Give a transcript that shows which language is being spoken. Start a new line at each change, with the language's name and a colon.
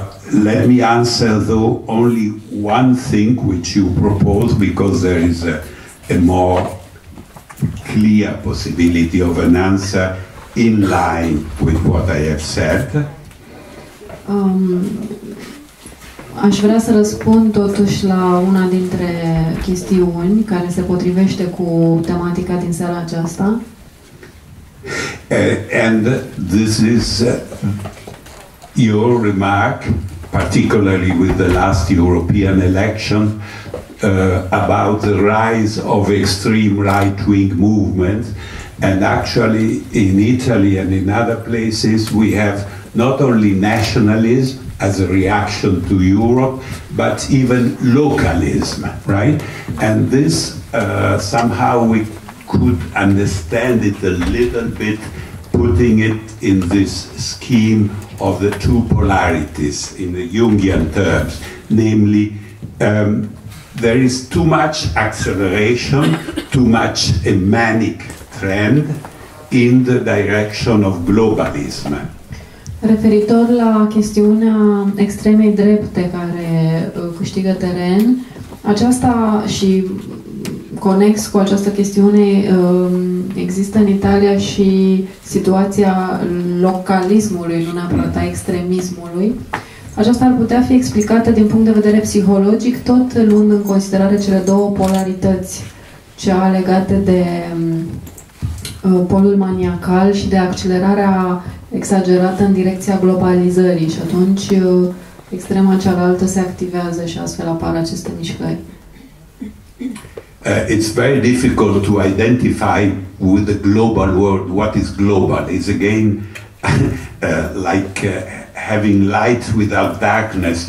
English: Let me answer though only one thing which you propose, because there is a more clear possibility of an answer in line with what I have said.
Romanian: Aș vrea să răspund totuși la una dintre chestiuni care se potrivește cu tematica din seara aceasta.
English: And this is your remark, particularly with the last European election, about the rise of extreme right-wing movements. And actually, in Italy and in other places, we have not only nationalism as a reaction to Europe, but even localism, right? And this, somehow we could understand it a little bit, putting it in this scheme of the two polarities in the Jungian terms, namely, there is too much acceleration, too much a manic trend in the direction of globalism.
Romanian: Referitor la chestiunea extremei drepte care câștigă teren, aceasta și conex cu această chestiune există în Italia și situația localismului, nu neapărat a extremismului. Aceasta ar putea fi explicată din punct de vedere psihologic, tot luând în considerare cele două polarități, cea legată de polul maniacal și de accelerarea exagerată în direcția globalizării, și atunci extrema cealaltă se activează și astfel apar aceste mișcări.
English: It's very difficult to identify with the global world what is global. It's again like having light without darkness.